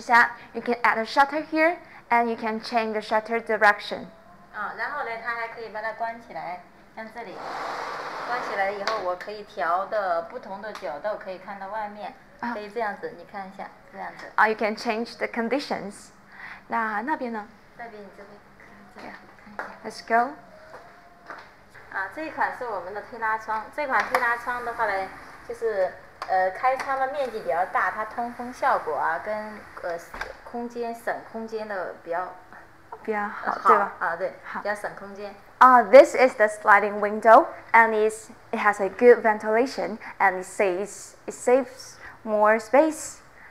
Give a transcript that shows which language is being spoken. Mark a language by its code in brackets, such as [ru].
[en] said you can add a shutter here, and you can change the shutter direction. [zh] 然后呢，它还可以把它关起来，像这里，关起来以后，我可以调的不同的角度，可以看到外面，可以这样子，你看一下，这样子。 [en] You can change the conditions. [zh] 那那边呢？那边你这边看一下。 [en] Let's go. [zh] 这一款是我们的推拉窗，这款推拉窗的话呢，就是开窗的面积比较大，它通风效果啊，跟空间省空间的比较。比较好，对吧？啊，对，好，比较省空间。 [en] This is the sliding window, and it has a good ventilation, and it saves more space.